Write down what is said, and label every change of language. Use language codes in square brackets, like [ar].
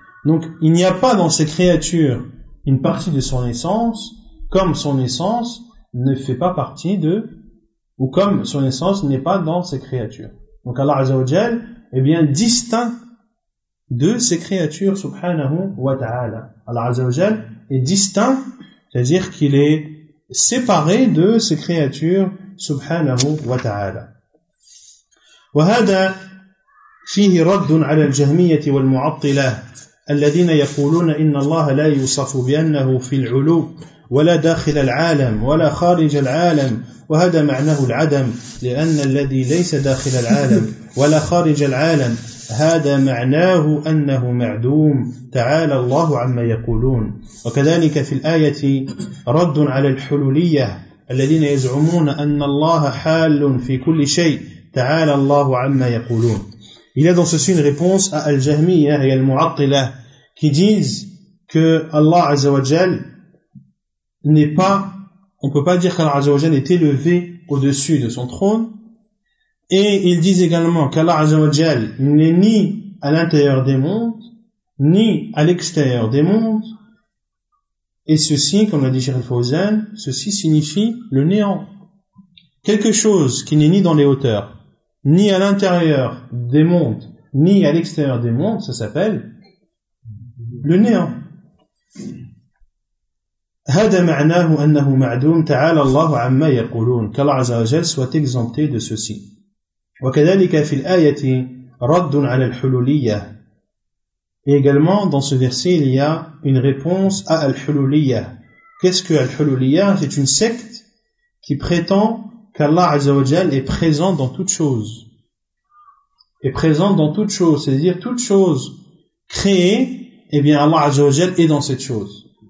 [fr] Donc il n'y a pas dans ces créatures une partie de son essence, comme son essence ne fait pas partie de, ou comme son essence n'est pas dans ces créatures. Donc Allah Azza wa Jal est bien distinct de ces créatures, subhanahu wa ta'ala. Allah Azza wa Jal est distinct, c'est-à-dire qu'il est séparé de ces créatures, subhanahu wa ta'ala. [ar] وهذا فيه رد على الجهمية والمعطلة الذين يقولون إن الله لا يوصف بأنه في العلو ولا داخل العالم ولا خارج العالم وهذا معناه العدم لأن الذي ليس داخل العالم ولا خارج العالم هذا معناه أنه معدوم تعالى الله عما يقولون وكذلك في الآية رد على الحلولية الذين يزعمون أن الله حال في كل شيء تعالى الله عما يقولون. [fr] Il y a dans ceci une réponse à Al-Jahmiya et Al-Mu'attila qui disent que Allah Azza wa Jal n'est pas, on peut pas dire qu'Allah Azza wa Jal est élevé au-dessus de son trône. Et ils disent également qu'Allah Azza wa Jal n'est ni à l'intérieur des mondes, ni à l'extérieur des mondes. Et ceci, comme l'a dit Cheikh Al-Fawzan, ceci signifie le néant. Quelque chose qui n'est ni dans les hauteurs, ni à l'intérieur des mondes, ni à l'extérieur des mondes, ça s'appelle le néant. [ar] هذا معناه أنه معدوم تعالى الله عما يقولون كالله عز وجل [fr] soit exempté de ceci. [ar] وكذلك في الآية رد على الحلولية. [fr] Et également dans ce verset il y a une réponse à الحلولية. Qu'est-ce que الحلولية? C'est une secte qui prétend qu'Allah عز وجل est présent dans toute chose. Est présent dans toute chose, c'est-à-dire toute chose créée, eh bien Allah عز وجل est dans cette chose.